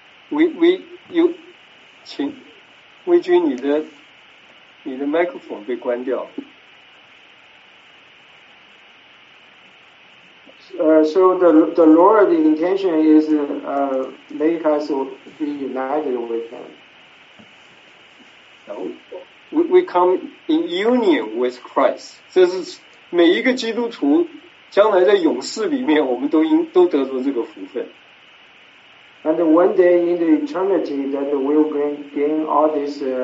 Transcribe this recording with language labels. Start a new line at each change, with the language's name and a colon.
Chinese: we you 请魏君你的麦克风被关掉。
English: So the Lord's intention is make us be united with Him. We come in union with Christ.
Chinese: 这是每一个基督徒将来在永世里面，我们都得着这个福分。
English: And one day in the eternity, that we will gain all this.